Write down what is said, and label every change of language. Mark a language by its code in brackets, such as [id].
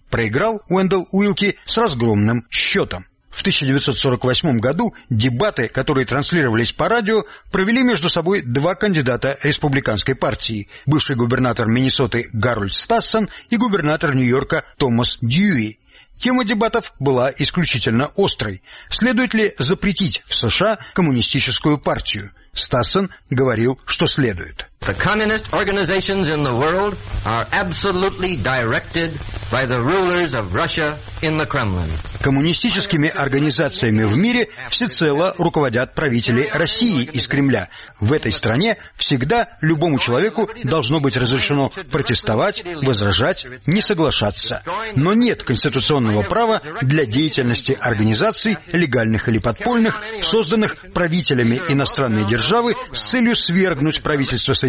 [ru] Проиграл Уэндалл Уилки с разгромным счетом. В 1948 году дебаты, которые транслировались по радио, провели между собой 2 кандидата республиканской партии – бывший губернатор Миннесоты Гарольд Стассен и губернатор Нью-Йорка Томас Дьюи. Тема дебатов была исключительно острой. Следует ли запретить в США коммунистическую партию? Стассен говорил, что следует. [en] The communist organizations in the world are absolutely directed by the rulers of Russia in the Kremlin. [ru] Коммунистическими организациями в мире всецело руководят правители России из Кремля. В этой стране всегда любому человеку должно быть разрешено протестовать, возражать, не соглашаться. Но нет конституционного права для деятельности организаций, легальных или подпольных, созданных правителями иностранной державы с целью свергнуть правительство Соединенных Штатов